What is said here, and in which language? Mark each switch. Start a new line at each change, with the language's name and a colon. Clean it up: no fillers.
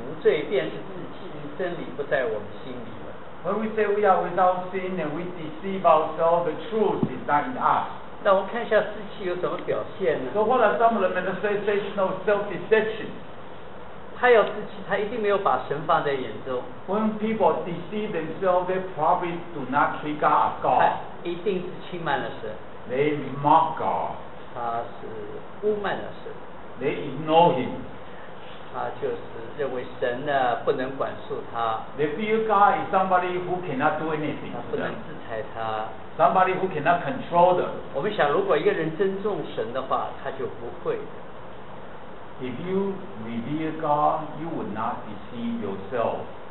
Chinese: 那我们说如自己无罪，便是自己真理不在我们心里。
English: When we say we are without sin and we deceive ourselves, the truth is not in us.
Chinese: 那我们看一下自欺有什么表现呢?
English: So what are some of the manifestations of self-deception?
Chinese: 他有自欺，他一定没有把神放在眼中。
English: When people deceive themselves, they probably do not treat God as God.
Chinese: 他一定是轻慢了神。
English: They mock God.
Chinese: 他是污慢了神。
English: They ignore him.
Chinese: 他就是认为神呢不能管束他。
English: They feel God is somebody who cannot do anything.
Chinese: 他不能制裁他。
English: Somebody who cannot control them.
Chinese: 我们想如果一个人尊重神的话，他就不会。
English: If you revere God, you would not deceive yourself.